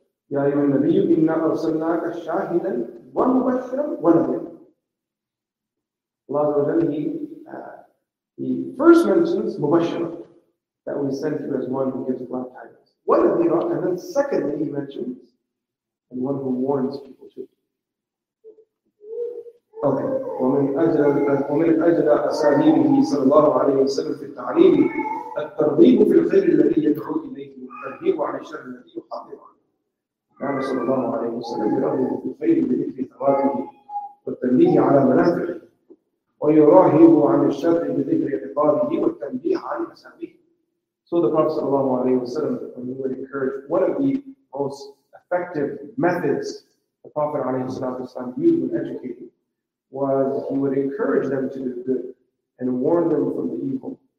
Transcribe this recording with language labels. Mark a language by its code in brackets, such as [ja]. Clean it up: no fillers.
[ar] يا أيها النبي إنا أرسلناك شاهدا ومبشرا ونذيرا. [en] Allah Azza wa Jalla, he first mentions mubashara, that we sent you as one who gives glad tidings. ونذيرا, and then secondly he mentions, and one who warns people too. Okay. [ar] ومن أجل أساليبه صلى الله عليه وسلم في التعليم الترغيب في الخير الذي يدعو إليه والترهيب عن الشر الذي يحافظ عليه. كان صلى الله عليه وسلم يرغب في الخير بذكر ثوابه والتنبيه على منافعه ويراهب عن الشر بذكر عقابه والتنبيه عن مسامحه. [en] So the Prophet [ar] صلى الله عليه وسلم, [en] when he would encourage, one of the most effective methods the Prophet [ar] عليه الصلاة والسلام [en] used when educating was he would encourage them to do good and warn them from the evil.